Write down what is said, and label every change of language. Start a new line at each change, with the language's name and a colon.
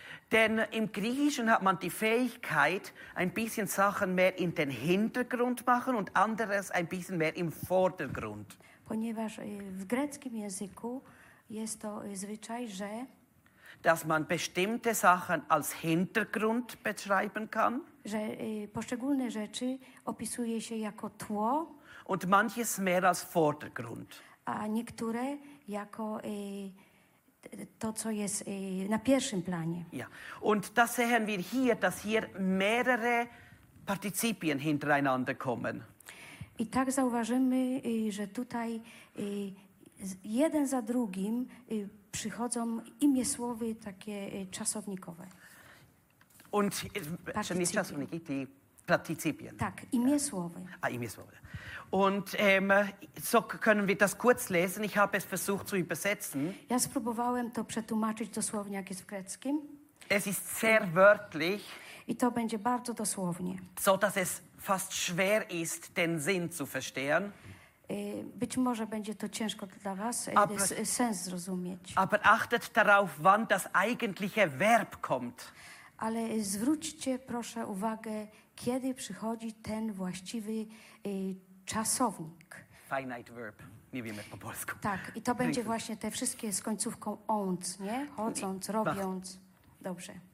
German: Denn im Griechischen hat man die Fähigkeit, ein bisschen Sachen mehr in den Hintergrund machen und anderes ein bisschen mehr im Vordergrund.
Polish: Ponieważ w greckim języku jest to zwyczaj, że
German: dass man bestimmte Sachen als Hintergrund beschreiben kann.
Polish: Że poszczególne rzeczy opisuje się jako tło.
German: Und manches mehr als Vordergrund.
Polish: A niektóre jako to, co jest na pierwszym planie.
German: Ja. Und das sehen wir hier, dass hier mehrere Partizipien hintereinander kommen.
Polish: I tak zauważymy, że tutaj jeden za drugim przychodzą imię słowy takie czasownikowe. Und czy nie czasowniki, te partizipien. Tak, imię słowy. A imię słowy.
German: Und so können wir das kurz lesen. Ich habe es versucht zu übersetzen.
Polish: Ja spróbowałem to przetłumaczyć dosłownie, jak jest w greckim.
German: Es ist sehr wörtlich.
Polish: I to będzie bardzo dosłownie.
German: So dass es fast schwer ist, den Sinn zu verstehen.
Polish: Być może będzie to ciężko dla was sens zrozumieć.
German: Aber achtet darauf, wann das eigentliche Verb kommt.
Polish: Ale zwróćcie proszę uwagę, kiedy przychodzi ten właściwy czasownik.
English: Finite verb.
Polish: Nie wiemy po polsku. Tak, i to będzie właśnie te wszystkie z końcówką ąc, nie? Chodząc, robiąc. Dobrze.